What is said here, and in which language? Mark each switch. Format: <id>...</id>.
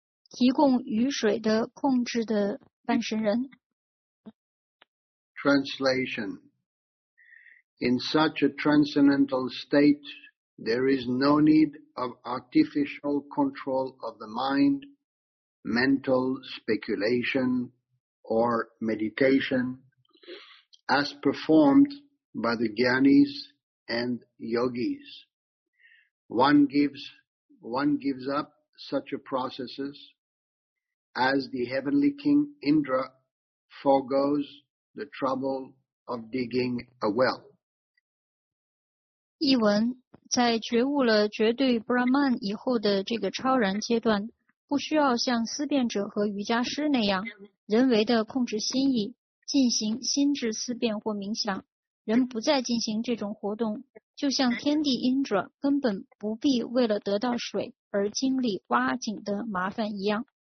<zh>提供雨水的控制的半神人。</zh> <en>Translation. In such a transcendental state, there is no need of artificial control of the mind, mental speculation, or meditation, as performed by the jnanis,And yogis. One gives up such a processes as the heavenly king Indra foregoes the trouble of digging a well.</en> <zh>译文在觉悟了绝对 Brahman 以后的这个超然阶段，不需要像思辨者和瑜伽师那样人为的控制心意，进行心智思辨或冥想。人不再进行这种活动，就像天帝 Indra 根本不必为了得到水而经历挖井的麻烦一样。</zh>